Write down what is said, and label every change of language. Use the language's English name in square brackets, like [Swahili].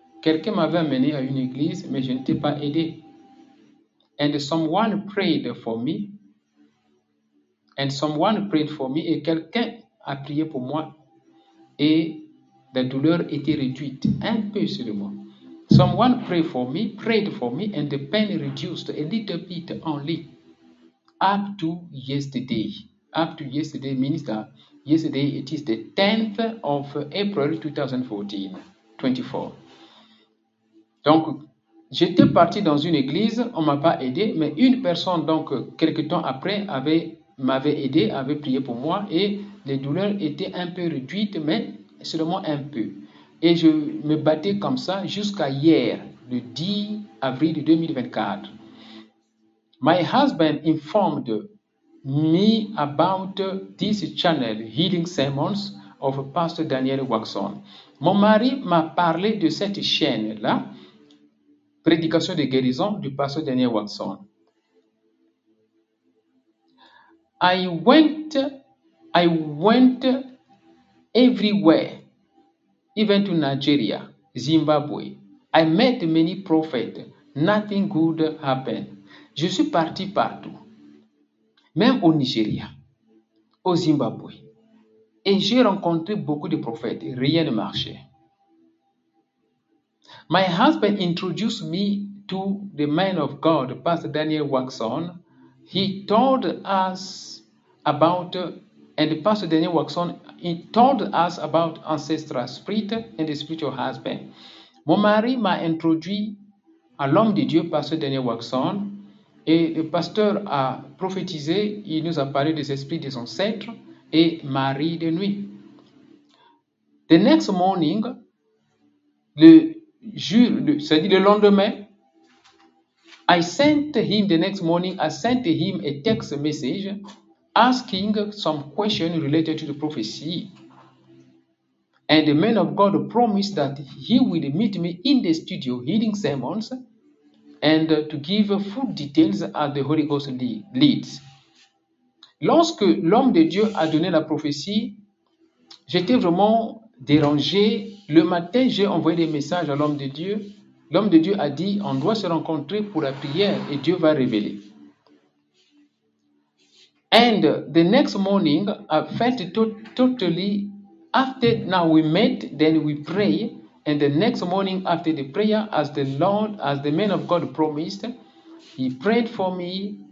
[French] Quelqu'un m'avait amené à une église, mais je n'étais pas aidé. [English] And someone prayed for me. And someone prayed for me. [French] Et quelqu'un a prié pour moi. Et la douleur était réduite un peu seulement. [English] Someone prayed for me, and the pain reduced a little bit only. Up to yesterday, minister, yesterday it is the 10th of April 2024. [French] Donc, j'étais parti dans une église, on ne m'a pas aidé, mais une personne, donc, quelques temps après, m'avait aidé, avait prié pour moi, et les douleurs étaient un peu réduites, mais seulement un peu. Et je me battais comme ça jusqu'à hier, le 10 avril 2024. [English] My husband informed me about this channel, Healing Sermons of Pastor Daniel Waxon. [French] Mon mari m'a parlé de cette chaîne-là, Prédication de guérison du Pasteur Daniel Waxon. [English] I went everywhere, even to Nigeria, Zimbabwe. I met many prophets. Nothing good happened. [French] Je suis parti partout, même au Nigeria, au Zimbabwe. Et j'ai rencontré beaucoup de prophètes. Rien ne marchait. [English] My husband introduced me to the man of God, Pastor Daniel Waxon. He told us about, and Pastor Daniel Waxon, he told us about ancestral spirit and the spiritual husband. [French] Mon mari m'a introduit à l'homme de Dieu, Pastor Daniel Waxon. Et le pasteur a prophétisé, il nous a parlé des esprits des ancêtres et Marie de nuit. [English] The next morning, [French] c'est-à-dire le lendemain, [English] I sent him a text message asking some questions related to the prophecy. And the man of God promised that he would meet me in the studio healing sermons and to give full details as the Holy Ghost leads. [French] Lorsque l'homme de Dieu a donné la prophétie, j'étais vraiment dérangé. Le matin, j'ai envoyé des messages à l'homme de Dieu. L'homme de Dieu a dit, on doit se rencontrer pour la prière et Dieu va révéler. [English] And the next morning, I felt totally, after now we met, then we pray. And the next morning after the prayer, as the man of God promised, he prayed for me.